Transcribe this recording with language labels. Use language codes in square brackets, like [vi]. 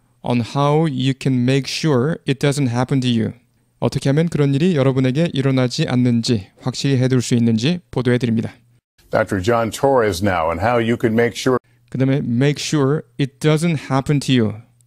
[en] On how you can make sure it doesn't happen to you. [ko] 어떻게 하면 그런 일이 여러분에게 일어나지 않는지 확실히 해둘 수 있는지 보도해 드립니다. [en] Dr. John Torres now on how you can make sure. [ko] 그 다음에 [en] make sure it doesn't happen to you.